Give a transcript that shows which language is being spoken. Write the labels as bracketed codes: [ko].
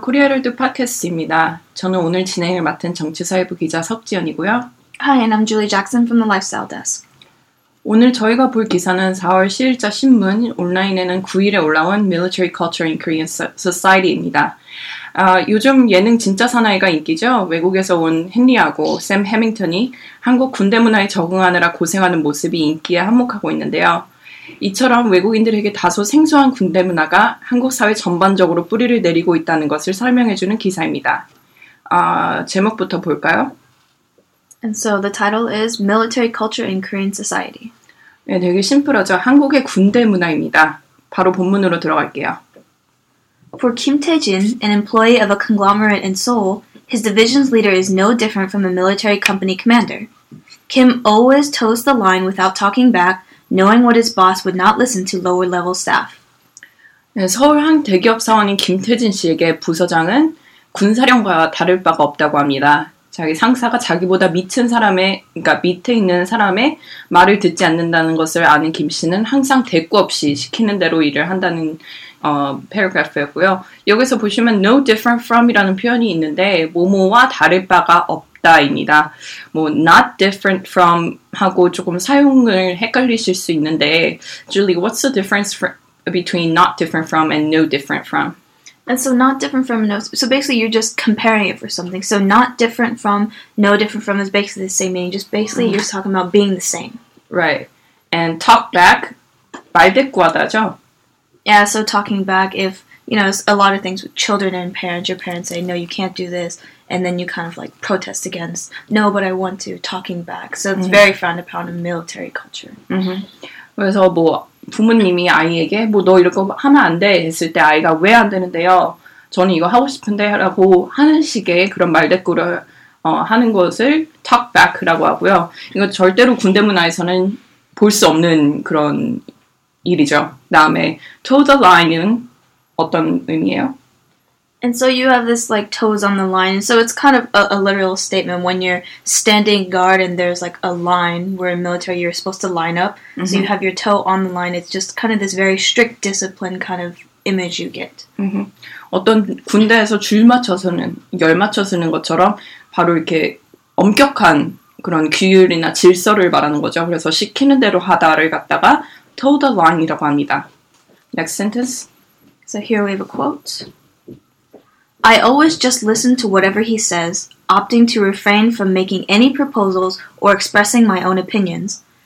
[ko] 코리아를 듣 팟캐스트입니다. 저는 오늘 진행을 맡은 정치사회부 기자 석지연이고요. [en] Hi, and I'm Julie Jackson from the Lifestyle Desk. [ko] 오늘 저희가 볼 기사는 4월 7일자 신문, 온라인에는 9일에 올라온 Military Culture in Korean Society입니다. 아, 요즘 예능 진짜 사나이가 인기죠? 외국에서 온 헨리하고 샘 해밍턴이 한국 군대 문화에 적응하느라 고생하는 모습이 인기에 한몫하고 있는데요. 이처럼 외국인들에게 다소 생소한 군대 문화가 한국 사회 전반적으로 뿌리를 내리고 있다는 것을 설명해주는 기사입니다. 아, 제목부터 볼까요? [en] And so the title is Military Culture in Korean Society. [ko] 네, 되게 심플하죠. 한국의 군대 문화입니다. 바로 본문으로 들어갈게요. [en] For Kim Tae-jin, an employee of a conglomerate in Seoul, his division's leader is no different from a military company commander. Kim always toes the line without talking back, knowing what his boss would not listen to lower-level staff. [ko] 네, 서울 한 대기업 사원인 김태진 씨에게 부서장은 군사령과 다를 바가 없다고 합니다. 자기 상사가 자기보다 밑은 사람의, 그러니까 밑에 있는 사람의 말을 듣지 않는다는 것을 아는 김 씨는 항상 대꾸 없이 시키는 대로 일을 한다는 paragraph였고요. 여기서 보시면 no different from이라는 표현이 있는데 뭐뭐와 다를 바가 없다. 입니다. [en] 뭐 not different from [ko] 하고 조금 사용을 헷갈리실 수 있는데, [en] Julie, what's the difference between not different from and no different from? And so not different from no. So basically, you're just comparing it for something. So not different from, no different from is basically the same meaning. Just basically, you're just talking about being the same. Right. And talk back, [ko] 말 대꾸하다죠. [en] Yeah. So talking back, if you know a lot of things with children and parents, your parents say, no, you can't do this. And then you kind of like protest against, no, but I want to, talking back. So it's very frowned upon in military culture. Mm-hmm. [ko] 그래서 뭐 부모님이 아이에게 뭐 너 이렇게 하면 안 돼 했을 때 아이가 왜 안 되는데요? 저는 이거 하고 싶은데 라고 하는 식의 그런 말대꾸를 하는 것을 talk back라고 하고요. 이거 절대로 군대 문화에서는 볼 수 없는 그런 일이죠. 다음에 toe the line은 어떤 의미예요? [en] And so you have this, like, toes on the line. And so it's kind of a literal statement when you're standing guard and there's, like, a line where in military you're supposed to line up. Mm-hmm. So you have your toe on the line. It's just kind of this very strict discipline kind of image you get. Mm-hmm. [ko] 어떤 군대에서 줄 맞춰서는, 열 맞춰서는 것처럼 바로 이렇게 엄격한 그런 규율이나 질서를 말하는 거죠. 그래서 시키는 대로 하다를 갖다가 toe the line이라고 합니다. [en] Next sentence. So here we have a quote. I always just listen to whatever he says, opting to refrain from making any proposals or expressing my own opinions.